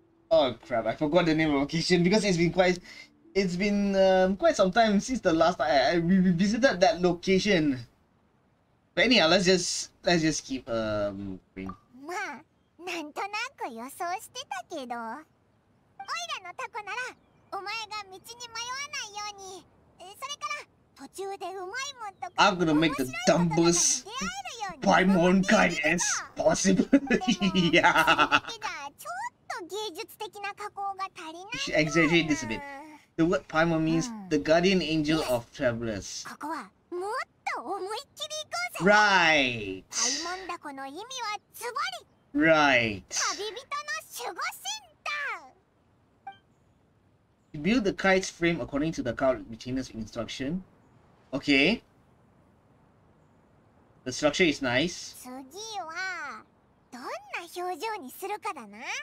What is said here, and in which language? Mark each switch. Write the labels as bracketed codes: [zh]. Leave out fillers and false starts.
[en] I forgot the name of the location because it's been quite some time since the last time we visited that location. But anyhow, let's just keep going. [ja] Ma, なんとなく予想してたけど、オイラのタコならお前が道に迷わないように。それから途中でうまいもんとか [en] I'm gonna make the dumbest Paimon kite as possible. Yeah. [ja] ちょっと芸術的な加工が足りない。 [en] Exaggerate this a bit. The word Paimon means the guardian angel of travelers. [ja] ここはもっと思いっきり行こうぜ。 [en] Right. [ja] Paimon だこの意味はズバリ。 [en] Right. [ja] 旅人の守護神だ。 [en] Build the kite's frame according to the card retainer's instruction. Okay. The structure is nice. [ja] 次はどんな表情にするかだな。